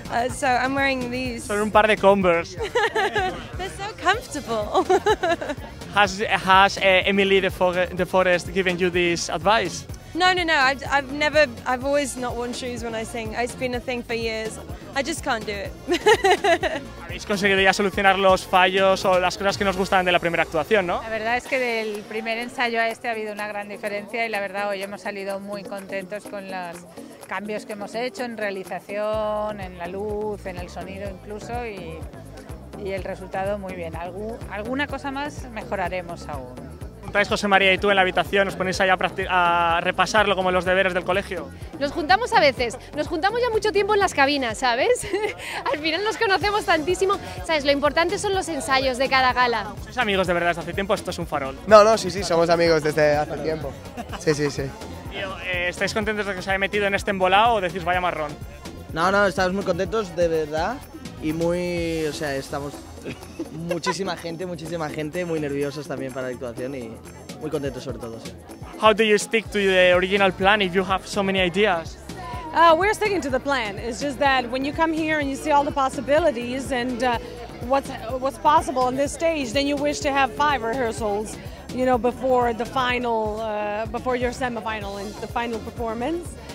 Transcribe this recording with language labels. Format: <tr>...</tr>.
<en>So I'm wearing these.</en> <es>Son un par de Converse.</es> <en>They're so comfortable. Has Emily de Forest given you this advice? No. I've always not worn shoes when I sing. It's been a thing for years. I just can't do it.</en> <es>Habéis conseguido ya solucionar los fallos o las cosas que nos gustaban de la primera actuación, ¿no? La verdad es que del primer ensayo a este ha habido una gran diferencia y la verdad hoy hemos salido muy contentos con los cambios que hemos hecho en realización, en la luz, en el sonido incluso y el resultado muy bien. Alguna cosa más mejoraremos aún. ¿Juntáis José María y tú en la habitación? ¿Os ponéis ahí a repasarlo como los deberes del colegio? Nos juntamos a veces. Nos juntamos ya mucho tiempo en las cabinas, ¿sabes? Al final nos conocemos tantísimo. ¿Sabes? Lo importante son los ensayos de cada gala. ¿Sois amigos de verdad desde hace tiempo? Esto es un farol. No, sí, somos amigos desde hace tiempo. Sí. Tío, ¿estáis contentos de que os haya metido en este embolado o decís vaya marrón? No, estamos muy contentos, de verdad. y muy, o sea, estamos muchísima gente, muy nerviosos también para la actuación y muy contentos sobre todo. Sí.</es> <en>How do you stick to the original plan if you have so many ideas? We're sticking to the plan. It's just that when you come here and you see all the possibilities and what's possible on this stage, then you wish to have 5 rehearsals, you know, before the final, before your semifinal and the final performance.</en>